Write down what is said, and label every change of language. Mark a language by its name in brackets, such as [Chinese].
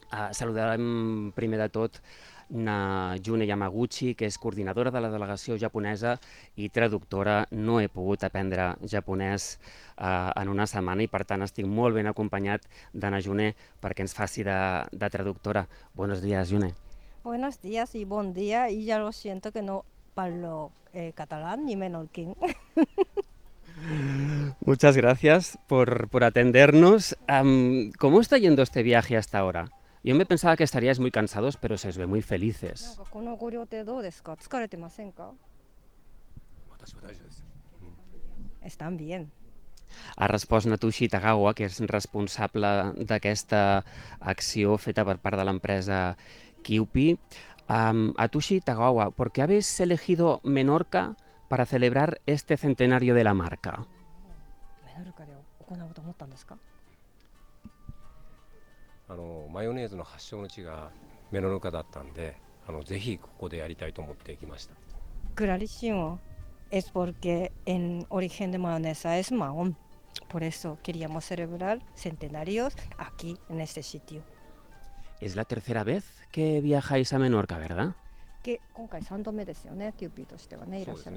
[Catalan] Saludarem primer de tot na June Yamaguchi, que és coordinadora de la delegació japonesa i traductora. No he pogut aprendre japonès en una setmana i, per tant, estic molt ben acompanyat de na June perquè ens faci de traductora. [Spanish] Buenos días, June. Buenos días y buen día. Y ya lo siento que no parlo catalán ni menorquín. Muchas gracias por atendernos. ¿Cómo está yendo este viaje hasta ahora? Yo me pensaba que estaríais muy cansados, pero se os ve muy felices. Están bien. [Catalan] Ha respost Natushi Tagawa, que és responsable d'aquesta acció feta per part de l'empresa Kiupi. [Spanish] Natushi Tagawa, ¿por qué habéis elegido Menorca para celebrar este centenario de la marca? ¿Menorca de Okonautomotandesca? [Japanese] マヨネーズの発祥の地がメノルカだったんで、ぜひここでやりたいと思って行きました。 [Spanish] Clarísimo. Es porque en origen de mayonesa es Mahón. Por eso queríamos celebrar centenarios aquí en este sitio. Es la tercera vez que viajáis a Menorca, ¿verdad? [Japanese] Que 今回3度目ですよね、キューピーとしてはね、いらっしゃる。